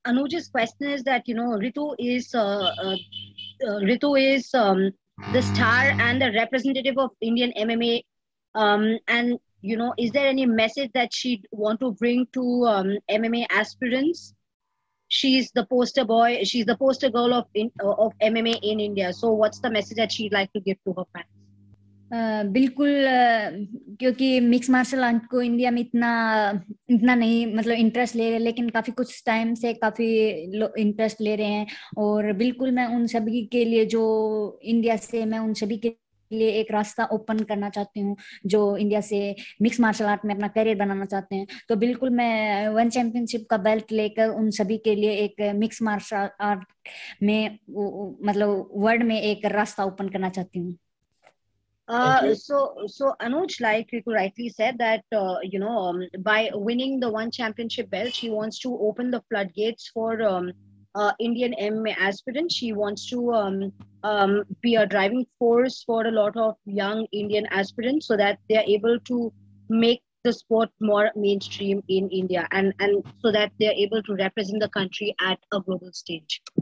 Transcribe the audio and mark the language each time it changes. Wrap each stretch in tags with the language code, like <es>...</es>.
<en>Anuj's question is that, you know, Ritu is the star and the representative of Indian MMA. And, you know, is there any message that she'd want to bring to MMA aspirants? She's the poster boy. She's the poster girl of MMA in India. So, what's the message that she'd like to give to her fans?</en> <hi>बिल्कुल क्योंकि mix martial art को India में इतना नहीं मतलब interest ले रहे लेकिन काफी कुछ टाइम से काफी इंटरेस्ट ले रहे हैं और बिल्कुल मैं उन सभी के लिए जो इंडिया से मैं उन सभी के लिए एक रास्ता ओपन करना चाहती हूं जो इंडिया से मिक्स मार्शल आर्ट में अपना करियर बनाना चाहते हैं तो बिल्कुल मैं वन चैंपियनशिप का बेल्ट लेकर उन सभी के लिए एक मिक्स मार्शल आर्ट में मतलब वर्ल्ड में एक रास्ता ओपन करना चाहती हूं</hi> <en>so Anuj like Ritu rightly said that you know by winning the one championship belt she wants to open the floodgates for Indian MMA aspirant. She wants to be a driving force for a lot of young Indian aspirants so that they are able to make the sport more mainstream in India and so that they are able to represent the country at a global stage.</en>